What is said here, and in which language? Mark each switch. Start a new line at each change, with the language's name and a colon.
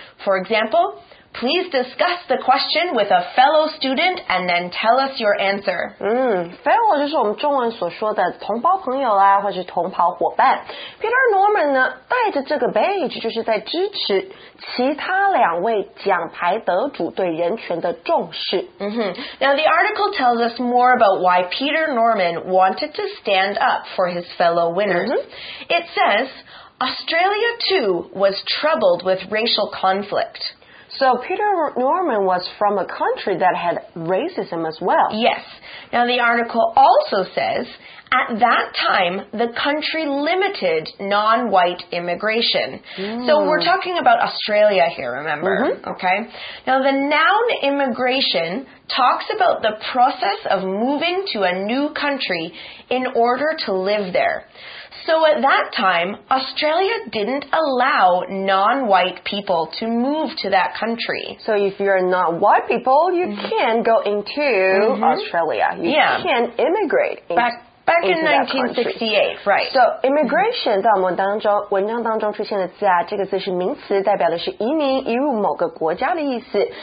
English: For example, please discuss the question with a fellow student and then tell us your answer.
Chinese: Fellow就是我们中文所说的同胞朋友啦，或是同袍伙伴。 Peter Norman呢，带着这个badge，就是在支持其他两位奖牌得主对人权的重视。
English: Now the article tells us more about why Peter Norman wanted to stand up for his fellow winners. It says, Australia too was troubled with racial conflict. So Peter Norman was from a country that had racism as well. Yes. Now the article also says, at that time, the country limited non-white immigration. So we're talking about Australia here, remember? Okay. Now the noun immigration talks about the process of moving to a new country in order to live there. So at that time, Australia didn't allow non-white people to move to that country. So if you're not white people, you can go into Australia. You can immigrate into that country. Back in 1968, right.
Chinese: So, immigration, 在我们文章当中出现的字啊, 这个字是名词, 代表的是移民, 移入某个国家的意思。